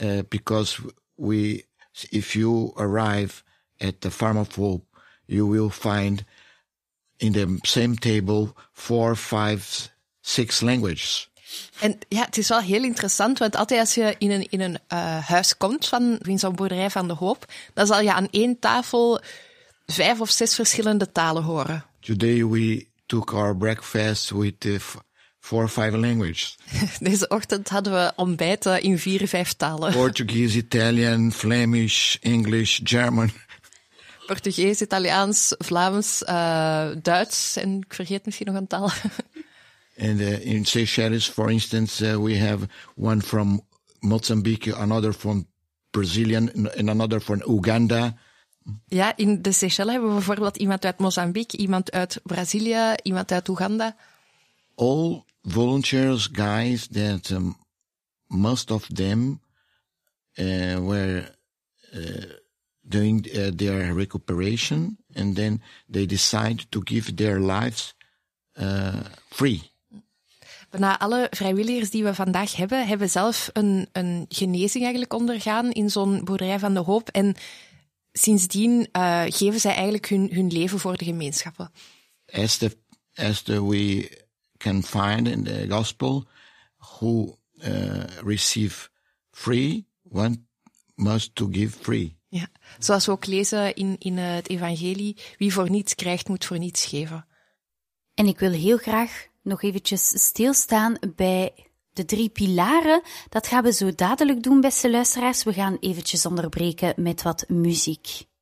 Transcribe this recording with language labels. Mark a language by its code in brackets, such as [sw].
[en] Because we, if you arrive at the Farm of Hope, you will find in the same table 4, 5, 6 languages. [nl] En ja, het is wel heel interessant, want altijd als je in een huis komt van in zo'n boerderij van de Hoop, dan zal je aan één tafel 5 of 6 verschillende talen horen. [en] Today we took our breakfast with 4 or 5 languages. [nl] Deze ochtend hadden we ontbijt in 4 of 5 talen. [en] Portuguese, Italian, Flemish, English, German. [nl] Portugees, Italiaans, Vlaams, Duits en ik vergeet misschien nog een taal. [en] And in Seychelles, for instance, we have one from Mozambique, another from Brazilian, and another from Uganda. [nl] Ja, in de Seychelles hebben we bijvoorbeeld iemand uit Mozambique, iemand uit Brazilië, iemand uit Uganda. [en] All volunteers, guys, that most of them were doing their recuperation, and then they decide to give their lives free. [nl] Na alle vrijwilligers die we vandaag hebben, hebben zelf een genezing eigenlijk ondergaan in zo'n boerderij van de Hoop. En sindsdien geven zij eigenlijk hun leven voor de gemeenschappen. [en] As the we can find in the gospel, who receive free, one must to give free. [nl] Ja, zoals we ook lezen in het evangelie, wie voor niets krijgt, moet voor niets geven. En ik wil heel graag nog eventjes stilstaan bij de 3 pilaren. Dat gaan we zo dadelijk doen, beste luisteraars. We gaan eventjes onderbreken met wat muziek.